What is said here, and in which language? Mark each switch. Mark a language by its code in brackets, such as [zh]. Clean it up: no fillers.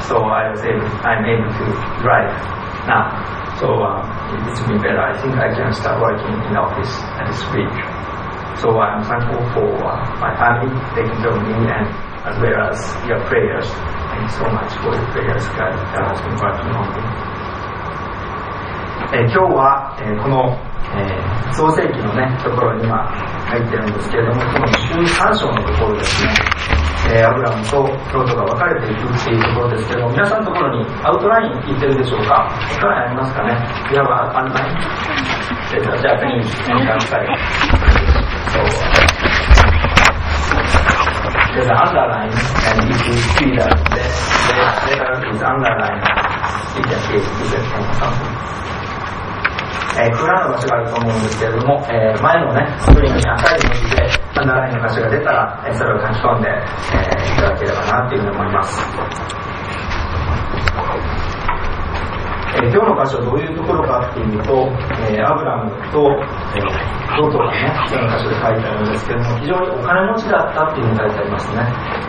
[en] So I'm able to drive now. So it's been better. I think I can start working in the office this week. So I'm thankful for my family taking care of me, and as well as your prayers. Thank you so much for your prayers, God, that has been working on me. [ja] 今日は、この、創世記のね、ところに今入ってるんですけれども、この13章のところですね、アブラムとロトが分かれていくっていうところですけれども、皆さんのところにアウトライン行ってるでしょうか。アウトラインありますかね。いや、アウトライン。じゃあ、次に参加したい。 [en] So, there's an underline, and if you see that the letter is underlined, you can see it. You can see it. [ja] クラの場所があると思うんですけれども、前のね、スクリーンに赤い文字でアンダーラインの場所が出たら、それを書き込んで、いただければなというふうに思います。今日の箇所はどういうところかっていうと、アブラムとロトがね、今日の箇所で書いてあるんですけども、非常にお金持ちだったっていうふうに書いてありますね。